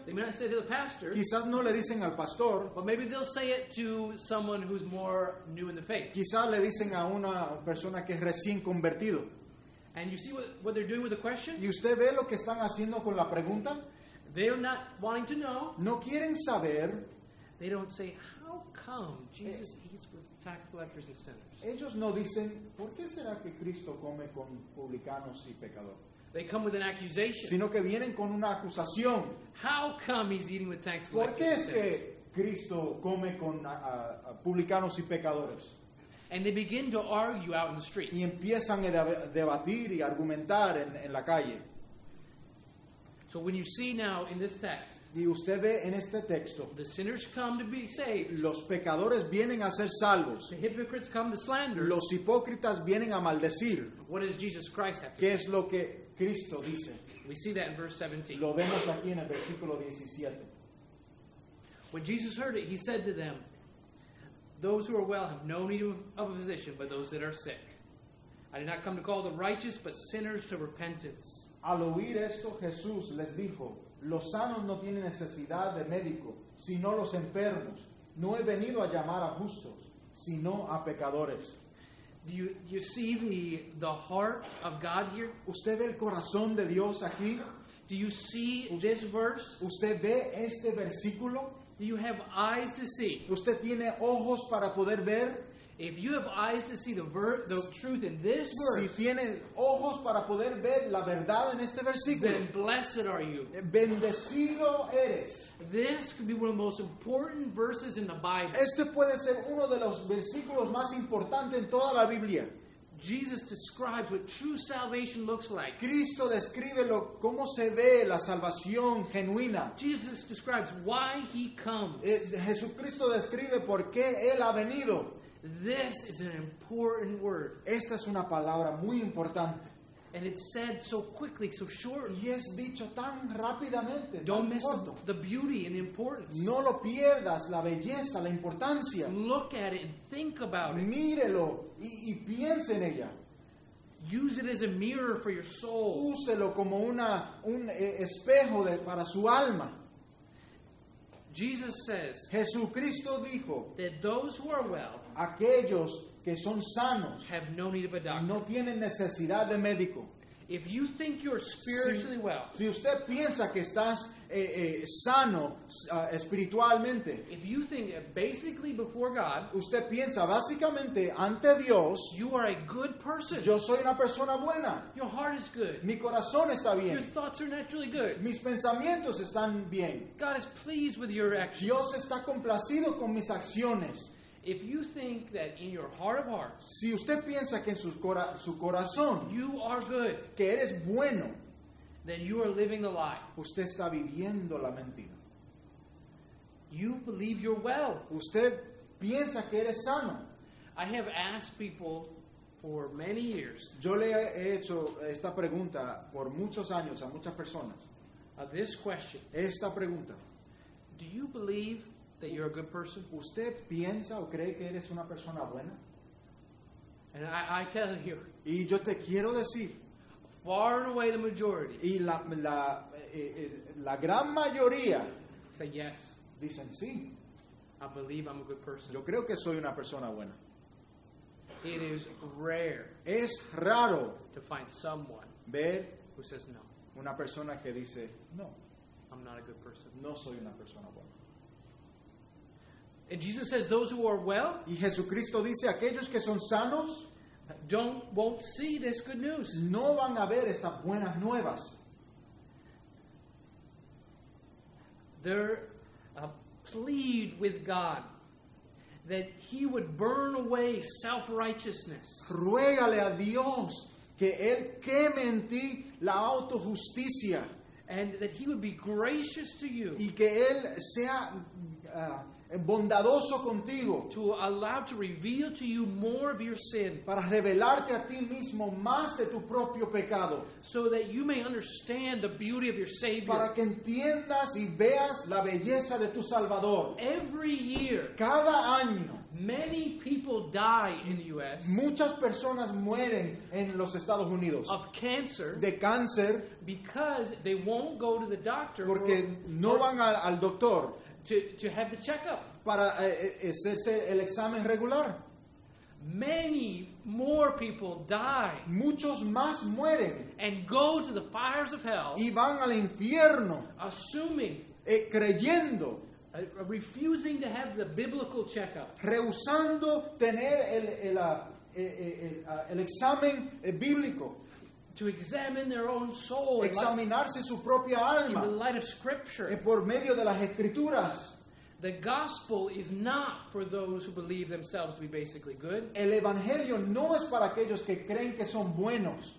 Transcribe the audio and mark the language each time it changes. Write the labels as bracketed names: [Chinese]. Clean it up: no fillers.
[English] they may not say to the pastor, [Spanish] quizás no le dicen al pastor, [English] but maybe they'll say it to someone who's more new in the faith. [Spanish] Quizás le dicen a una persona que es recién convertido. [English] And you see what they're doing with the question? [Spanish] ¿Y usted ve lo que están haciendo con la pregunta? [English] They're not wanting to know. [Spanish] No quieren saber. [English] They don't say, how come Jesus eats with tax collectors and sinners? [Spanish] Ellos no dicen, ¿por qué será que Cristo come con publicanos y pecadores? [English] They come with an accusation. [Spanish] Sino que vienen con una acusación. [English] How come he's eating with tax collectors? [Spanish] ¿Por qué es que Cristo come con publicanos y pecadores? [English] And they begin to argue out in the street. [Spanish] Y empiezan a debatir y argumentar en la calle. [English] So when you see now in this text, [Spanish] y usted ve en este texto, [English] the sinners come to be saved. [Spanish] Los pecadores vienen a ser salvos. [English] The hypocrites come to slander. [Spanish] Los hipócritas vienen a maldecir. [English] What does Jesus Christ have to say? [Spanish] ¿Qué es lo que Cristo dice? [English] We see that in verse 17. [Spanish] Lo vemos aquí en el versículo 17. [English] When Jesus heard it, he said to them, those who are well have no need of a physician, but those that are sick. I did not come to call the righteous, but sinners to repentance. [Spanish] Al oír esto, Jesús les dijo, los sanos no tienen necesidad de médico, sino los enfermos. No he venido a llamar a justos, sino a pecadores. [English] Do you see the heart of God here? [Spanish] ¿Usted ve el corazón de Dios aquí? [English] Do you see this verse? [Spanish] ¿Usted ve este versículo? [English] Do you have eyes to see? [Spanish] ¿Usted tiene ojos para poder ver? [English] If you have eyes to see the truth in this verse, [Spanish] si tiene ojos para poder ver la verdad en este versículo, [English] then blessed are you. [Spanish] Bendecido eres. [English] This could be one of the most important verses in the Bible. [Spanish] Este puede ser uno de los versículos más importantes en toda la Biblia. [English] Jesus describes what true salvation looks like. [Spanish] Cristo describe cómo se ve la salvación genuina. [English] Jesus describes why he comes. [Spanish] Jesucristo describe por qué él ha venido. [English] This is an important word. [Spanish] Esta es una palabra muy importante. [English] And it's said so quickly, so short. [Spanish] Y es dicho tan rápidamente. [English] Don't miss [Spanish] corto. [English] The beauty and the importance. [Spanish] No lo pierdas, la belleza, la importancia. [English] Look at it and think about it. [Spanish] Mírelo y piense en ella. [English] Use it as a mirror for your soul. [Spanish] Úselo como un espejo para su alma. [English] Jesus says, [Spanish] Jesucristo dijo, [English] that those who are well, [Spanish] aquellos que son sanos, [English] have no need of a doctor. [Spanish] No tienen necesidad de médico. [English] If you think you're spiritually well, [Spanish] si usted piensa que estás sano espiritualmente, [English] if you think basically before God, [Spanish] usted piensa básicamente ante Dios, [English] you are a good person. [Spanish] Yo soy una persona buena. [English] Your heart is good. [Spanish] Mi corazón está bien. [English] Your thoughts are naturally good. [Spanish] Mis pensamientos están bien. [English] God is pleased with your actions. [Spanish] Dios está complacido con mis acciones. [English] If you think that in your heart of hearts, [Spanish] si usted piensa que en su corazón, [English] you are good, [Spanish] que eres bueno, [English] then you are living the lie. [Spanish] Usted está viviendo la mentira. [English] You believe you're well. [Spanish] Usted piensa que eres sano. [English] I have asked people for many years. [Spanish] Yo le he hecho esta pregunta por muchos años a muchas personas. [English] This question. [Spanish] Esta pregunta. [English] Do you believe that you're a good person? [Spanish] ¿Usted piensa o cree que eres una persona buena? [English] And I tell you, [Spanish] y yo te quiero decir, [English] far and away the majority, [Spanish] y la gran mayoría, [English] say yes, [Spanish] dicen sí, [English] I believe I'm a good person. [Spanish] Yo creo que soy una persona buena. [English] It is rare, [Spanish] es raro, [English] to find someone [Spanish] ver [English] who says no, [Spanish] una persona que dice no, [English] I'm not a good person. [Spanish] No soy una persona buena. [English] And Jesus says, those who are well, [Spanish] y Jesucristo dice, aquellos que son sanos, [English] won't see this good news. [Spanish] No van a ver estas buenas nuevas. [English] They're a plead with God that He would burn away self-righteousness. [Spanish] Ruégale a Dios que Él queme en ti la autojusticia. [English] And that He would be gracious to you. [Spanish] Y que Él sea bondadoso contigo. [English] To allow to reveal to you more of your sin. [Spanish] Para revelarte a ti mismo más de tu propio pecado. [English] So that you may understand the beauty of your Savior. [Spanish] Para que entiendas y veas la belleza de tu Salvador. [English] Every year. [Spanish] Cada año. [English] Many people die in the U.S. [Spanish] Muchas personas mueren en los Estados Unidos. [English] Of cancer. [Spanish] De cáncer. [English] Because they won't go to the doctor. [Spanish] Porque no van al doctor. [English] To have the checkup. [Spanish] Para hacerse el examen regular. [English] Many more people die. [Spanish] Muchos más mueren. [English] And go to the fires of hell. [Spanish] Y van al infierno. [English] Assuming. [Spanish] Creyendo. [English] Refusing to have the biblical checkup. [Spanish] Rehusando tener el examen bíblico. [English] To examine their own soul. [Spanish] Examinarse su propia alma. [English] In the light of Scripture. [Spanish] Por medio de las Escrituras. [English] The gospel is not for those who believe themselves to be basically good. [Spanish] El evangelio no es para aquellos que creen que son buenos.